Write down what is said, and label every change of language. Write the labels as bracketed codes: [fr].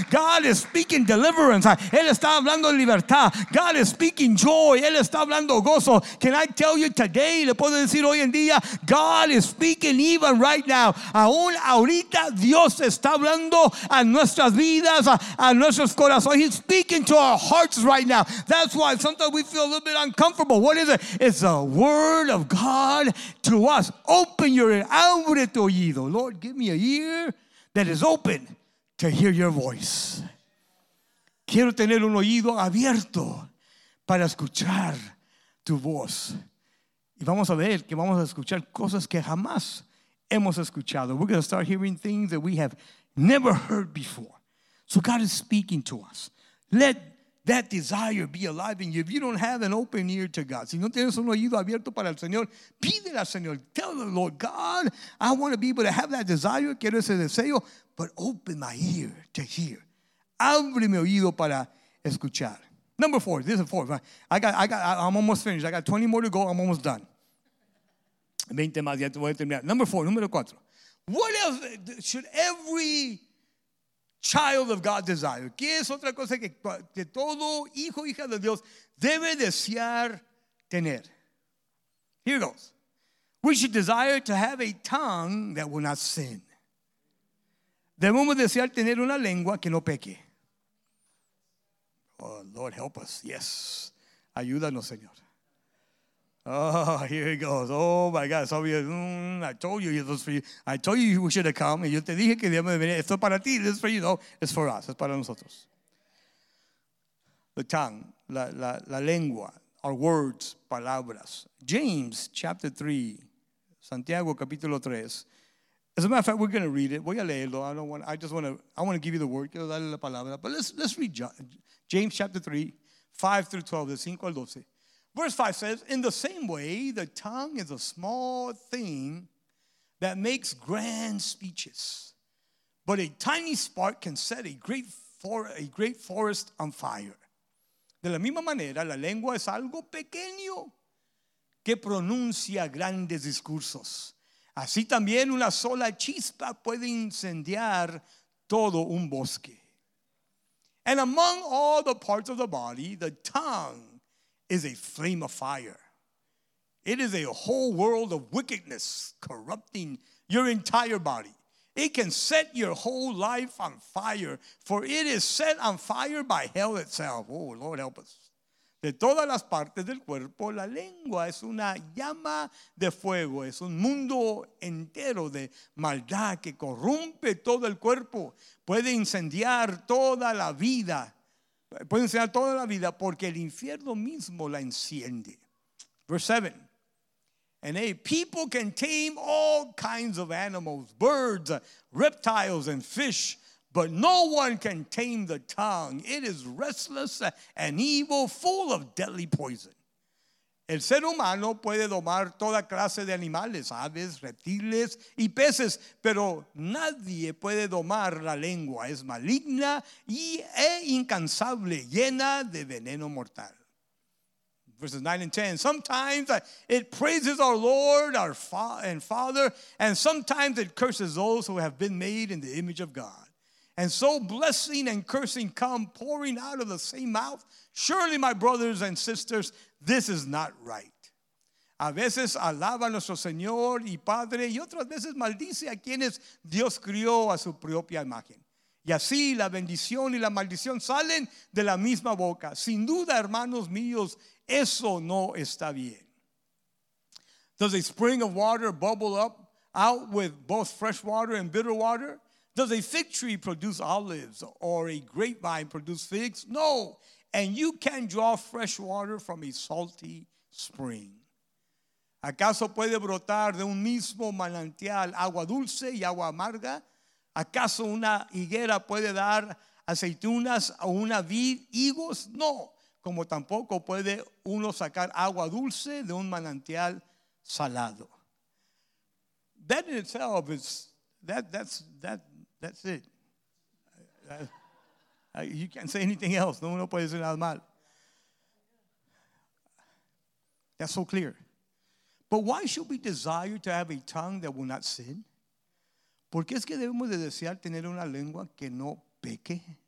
[en] God is speaking deliverance. [es] Él está hablando libertad. [en] God is speaking joy. [es] Él está hablando gozo. [en] Can I tell you today? [es] Le puedo decir hoy en día. [en] God is speaking even right now. [es] Aún ahorita Dios está hablando a nuestras vidas, a nuestros corazones. [en] He's speaking to our hearts right now. That's why sometimes we feel a little bit uncomfortable. What is it? It's the word of God to us. Open your ear. [es] Abre tu oído. [en] Lord, give me a ear that is open to hear your voice. [es] Quiero tener un oído abierto para escuchar tu voz. Y vamos a ver que vamos a escuchar cosas que jamás hemos escuchado. [en] We're going to start hearing things that we have never heard before. So God is speaking to us. Let that desire be alive in you. If you don't have an open ear to God, [es] si no tienes un oído abierto para el Señor, pídele al Señor. [en] Tell the Lord, God, I want to be able to have that desire. [es] Quiero ese deseo, [en] but open my ear to hear. [es] Abre mi oído para escuchar. [en] Number four. This is four. I'm almost finished. I got 20 more to go. I'm almost done. [es] 20 más. Ya te voy a terminar. [en] Number four. [es] Número cuatro. [en] What else should every child of God desire? [es] ¿Qué es otra cosa que todo hijo o hija de Dios debe desear tener? [en] Here goes. We should desire to have a tongue that will not sin. [es] Debemos desear tener una lengua que no peque. [en] Oh, Lord, help us. Yes. [es] Ayúdanos, Señor. [en] Oh, here he goes. Oh, my God. So I told you this was for you. I told you we should have come. [es] Yo te dije que debemos venir. Esto es para ti. [en] This is for you. No, it's for us. [es] Es para nosotros. [en] The tongue, [es] la lengua, [en] our words, palabras. James chapter 3, [es] Santiago capítulo 3. [en] As a matter of fact, we're going to read it. [es] Voy a leerlo. [en] I want to give you the word. [es] Quiero darle la palabra. [en] But let's read James chapter 3, 5 through 12, [es] de 5 al 12. [en] Verse 5 says, in the same way, the tongue is a small thing that makes grand speeches, but a tiny spark can set a great forest on fire. [es] De la misma manera, la lengua es algo pequeño que pronuncia grandes discursos. Así también una sola chispa puede incendiar todo un bosque. [en] And among all the parts of the body, the tongue is a flame of fire. It is a whole world of wickedness corrupting your entire body. It can set your whole life on fire, for it is set on fire by hell itself. Oh, Lord, help us. [es] De todas las partes del cuerpo, la lengua es una llama de fuego. Es un mundo entero de maldad que corrompe todo el cuerpo. Puede incendiar toda la vida. Puede incendiar toda la vida porque el infierno mismo la enciende. [en] Verse 7. And people can tame all kinds of animals, birds, reptiles, and fish. But no one can tame the tongue. It is restless and evil, full of deadly poison. [es] El ser humano puede domar toda clase de animales, aves, reptiles y peces, pero nadie puede domar la lengua. Es maligna e incansable, llena de veneno mortal. [en] Verses 9 and 10. Sometimes it praises our Lord, our Father, and sometimes it curses those who have been made in the image of God. And so blessing and cursing come pouring out of the same mouth. Surely, my brothers and sisters, this is not right. [es] A veces alaba a nuestro Señor y Padre, y otras veces maldice a quienes Dios crió a su propia imagen. Y así la bendición y la maldición salen de la misma boca. Sin duda, hermanos míos, eso no está bien. [en] Does a spring of water bubble up out with both fresh water and bitter water? Does a fig tree produce olives or a grapevine produce figs? No. And you can draw fresh water from a salty spring. [es] ¿Acaso puede brotar de un mismo manantial agua dulce y agua amarga? ¿Acaso una higuera puede dar aceitunas o una vid higos? No. Como tampoco puede uno sacar agua dulce de un manantial salado. [en] That in itself is, that's it. You can't say anything else. [es] No uno puede decir nada mal. [en] That's so clear. But why should we desire to have a tongue that will not sin? [es] ¿Por qué es que debemos de desear tener una lengua que no peque?